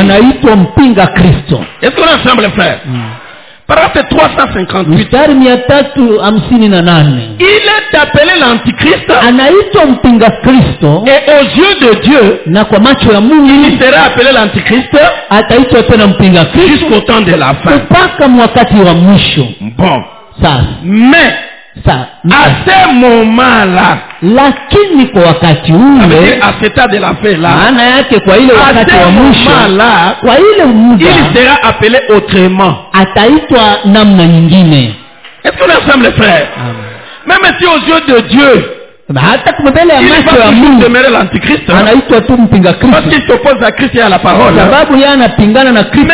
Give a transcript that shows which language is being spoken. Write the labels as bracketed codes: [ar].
[sw] Anaitwa mpinga Kristo. [fr] Est-ce qu'on est ensemble, frère? Paragraphe 358. Il est appelé l'antichrist. [sw] Anaitwa mpinga Kristo. [fr] Et aux yeux de Dieu, [sw] na kwa macho ya Mungu, [fr] il sera appelé l'antichrist. [sw] Ataitwa tena mpinga Kristo. [fr] Jusqu'au temps de la fin. [sw] Mpaka mwakati wa mwisho. [fr] Bon. Ça. Mais. Ça. À ce moment-là. [sw] Lakini kwa wakati ule. [fr] À cet âge de la fin là. [sw] Maana yake kwa ile wakati wa mwisho. Kwa ile muda. [fr] Il sera appelé autrement. [sw] Ataitwa namna nyingine. [fr] Est-ce qu'on est ensemble, frère? Même si aux yeux de Dieu. [sw] Hata kumbele ya macho ya Mungu. [fr] Il va demeurer l'antichrist. [sw] Anaitwa tu mpinga Kristo. [fr] Parce qu'il s'oppose à Christ et à la parole. [sw] Sababu yeye anapingana na Kristo.